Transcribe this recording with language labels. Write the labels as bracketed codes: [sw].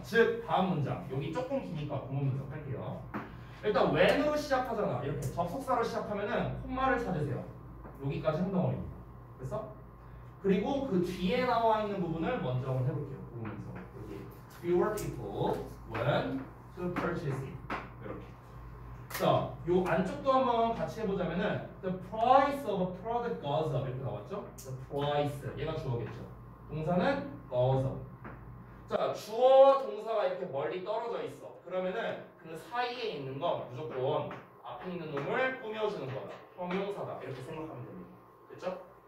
[ko] 즉 다음 문장 여기 조금 기니까 본문 문장 할게요. 일단 when으로 시작하잖아. 이렇게 접속사로 시작하면은 콤마를 찾으세요. 여기까지 행동어입니다. 그래서 그리고 그 뒤에 나와 있는 부분을 먼저 한번 해볼게요. 보면서 여기 [en] fewer people when to purchase it. [ko] 이렇게. 자, 요 안쪽도 한번 같이 해보자면은 [en] the price of a product goes up [ko] 이렇게 나왔죠? the price 얘가 주어겠죠. 동사는 goes up. 자, 주어 동사가 이렇게 멀리 떨어져 있어. 그러면은 그 사이에 있는 건 무조건 앞에 있는 놈을 꾸며주는 거다. 형용사다. 이렇게 생각하면 됩니다. 됐죠?